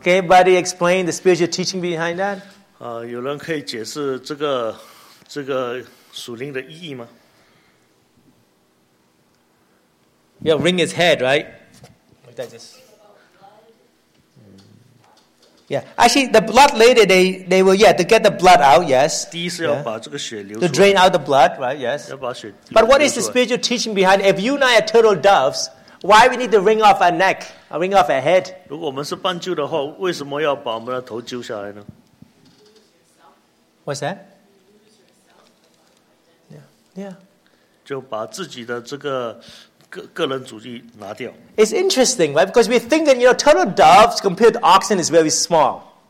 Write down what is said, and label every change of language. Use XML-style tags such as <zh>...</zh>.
<en>Can anybody explain the spiritual teaching behind that?</en> <zh>有人可以解释这个属灵的意义吗?</zh> <en>Yeah, wring its head, right? Yeah, actually, the blood later, they will, yeah, to get the blood out, yes.</en> <zh>第一是要把这个血流出来。</zh> <en>To drain out the blood, right, yes.</en> <zh>要把血流出来。</zh> <en>But what is the spiritual teaching behind, if you and I are turtle doves, why we need to wring off our neck, or wring off our head?</en> <zh>如果我们是斑鸠的话，为什么要把我们的头揪下来呢?</zh> <en>What's that? Yeah, yeah.</en> <zh>就把自己的这个 个人主义拿掉。</zh> <en>It's interesting, right? Because we're thinking, you know, turtle doves compared to oxen is very small.</en>